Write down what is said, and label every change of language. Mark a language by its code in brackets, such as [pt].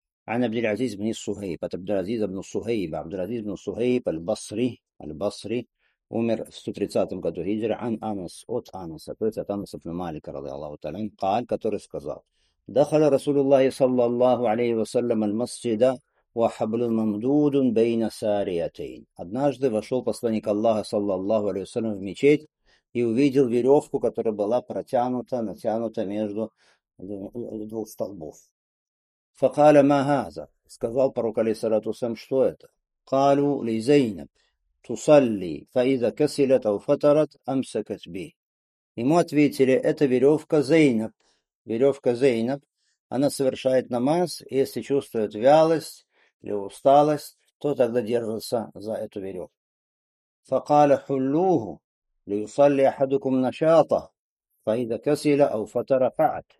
[ru] Ан Абдул-Азиз ибн Сухейб, от Абдул-Азиз ибн Сухейба, Абдул-Азиз ибн Сухейб аль-Басри, умер в 130 году Хиджры, ан Анас, от Анаса, то есть от Анаса ибн Малика, ради Аллаху Талян, Кааль, который сказал, [ar] دخل رسول الله صلى الله عليه وسلم المسجد وحبل ممدود بين ساريتين. [ru] Однажды вошел посланник Аллаха صلى الله عليه وسلم в мечеть и увидел веревку, которая была протянута, натянута между двух столбов. [ar] فقال ما هذا؟ [ru] Сказал пророк عليه الصلاة والسلام, что это? [ar] قالوا لزينب تصلي فإذا كسلت أو فترت أمسكت به. [ru] Ему ответили, это веревка Зейнаб. Веревка Зейнаб, она совершает намаз, и если чувствует вялость или усталость, то тогда держится за эту веревку. [ar] فَقَالَ حُلُّوهُ لِيُصَلِّ أَحَدُكُمْ نَشَاطَهُ فَإِذَا كَسِلَ أَوْ فَتَرَ فَعَدْ.